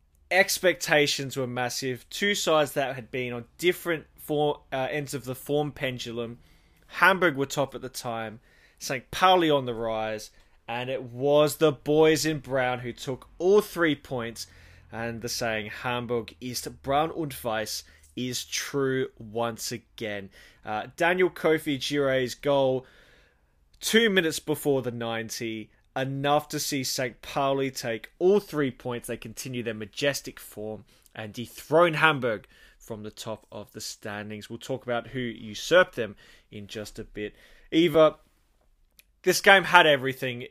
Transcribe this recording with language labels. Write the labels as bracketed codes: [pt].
[en] Expectations were massive. Two sides that had been on different ends of the form pendulum. Hamburg were top at the time. St. Pauli on the rise. And it was the boys in brown who took all 3 points. And the saying, [de] Hamburg ist braun und weiß, [en] is true once again. Daniel Kofi Gire's goal 2 minutes before the 90. Enough to see St. Pauli take all 3 points. They continue their majestic form and dethrone Hamburg from the top of the standings. We'll talk about who usurped them in just a bit. Eva, this game had everything.